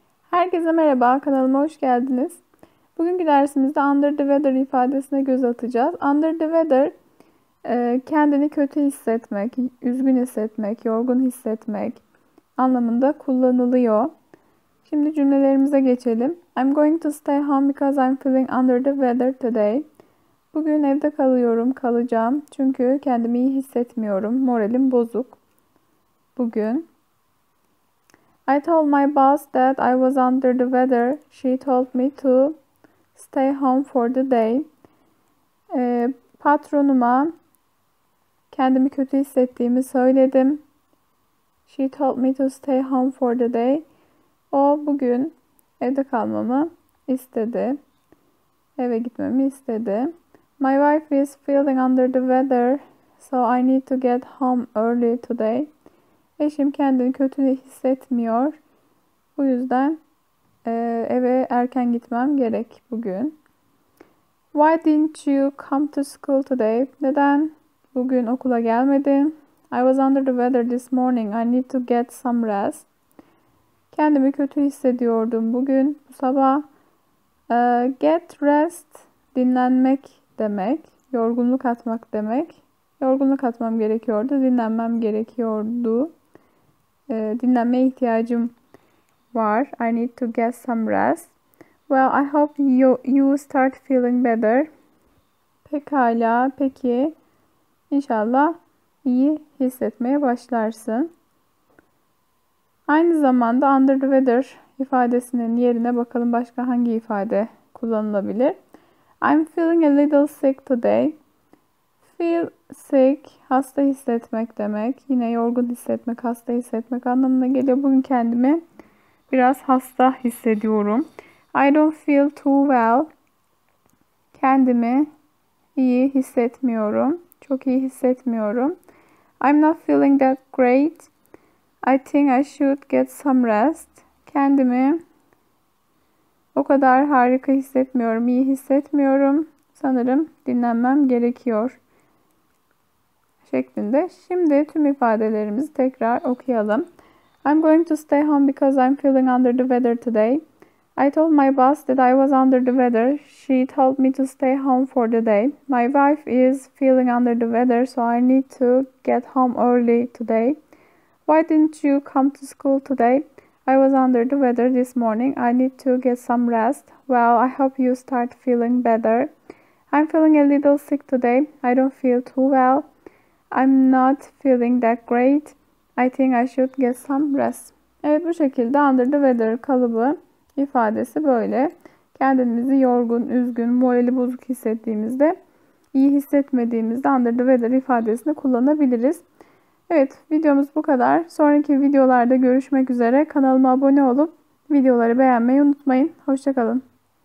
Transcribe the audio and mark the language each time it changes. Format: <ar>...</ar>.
<tr>Herkese merhaba, kanalıma hoş geldiniz. Bugünkü dersimizde</tr> <en>under the weather</en> <tr>ifadesine göz atacağız.</tr> <en>Under the weather,</en> <tr>kendini kötü hissetmek, üzgün hissetmek, yorgun hissetmek anlamında kullanılıyor. Şimdi cümlelerimize geçelim.</tr> <en>I'm going to stay home because I'm feeling under the weather today.</en> <tr>Bugün evde kalıyorum, kalacağım çünkü kendimi iyi hissetmiyorum. Moralim bozuk bugün.</tr> <en>I told my boss that I was under the weather. She told me to stay home for the day.</en> <tr>Patronuma kendimi kötü hissettiğimi söyledim.</tr> <en>She told me to stay home for the day.</en> <tr>O bugün evde kalmamı istedi. Eve gitmemi istedi.</tr> <en>My wife is feeling under the weather, so I need to get home early today.</en> <tr>Eşim kendini kötü hissetmiyor. Bu yüzden eve erken gitmem gerek bugün.</tr> <en>Why didn't you come to school today?</en> <tr>Neden bugün okula gelmedin?</tr> <en>I was under the weather this morning. I need to get some rest.</en> <tr>Kendimi kötü hissediyordum bugün, bu sabah.</tr> <en>Get rest,</en> <tr>dinlenmek demek. Yorgunluk atmak demek. Yorgunluk atmam gerekiyordu, dinlenmem gerekiyordu. Dinlenmeye ihtiyacım var.</tr> <en>I need to get some rest. Well, I hope you start feeling better.</en> <tr>Pekala, peki. İnşallah iyi hissetmeye başlarsın. Aynı zamanda</tr> <en>under the weather</en> <tr>ifadesinin yerine bakalım başka hangi ifade kullanılabilir.</tr> <en>I'm feeling a little sick today. Feel sick,</en> <tr>hasta hissetmek demek. Yine yorgun hissetmek, hasta hissetmek anlamına geliyor. Bugün kendimi biraz hasta hissediyorum.</tr> <en>I don't feel too well.</en> <tr>Kendimi iyi hissetmiyorum. Çok iyi hissetmiyorum.</tr> <en>I'm not feeling that great. I think I should get some rest.</en> <tr>Kendimi o kadar harika hissetmiyorum, iyi hissetmiyorum. Sanırım dinlenmem gerekiyor şeklinde. Şimdi tüm ifadelerimizi tekrar okuyalım.</tr> <en>I'm going to stay home because I'm feeling under the weather today. I told my boss that I was under the weather. She told me to stay home for the day. My wife is feeling under the weather, so I need to get home early today. Why didn't you come to school today? I was under the weather this morning. I need to get some rest. Well, I hope you start feeling better. I'm feeling a little sick today. I don't feel too well. I'm not feeling that great. I think I should get some rest.</en> <tr>Evet, bu şekilde</tr> <en>under the weather</en> <tr>kalıbı ifadesi böyle. Kendimizi yorgun, üzgün, morali bozuk hissettiğimizde, iyi hissetmediğimizde</tr> <en>under the weather</en> <tr>ifadesini kullanabiliriz. Evet, videomuz bu kadar. Sonraki videolarda görüşmek üzere. Kanalıma abone olup videoları beğenmeyi unutmayın. Hoşça kalın.</tr>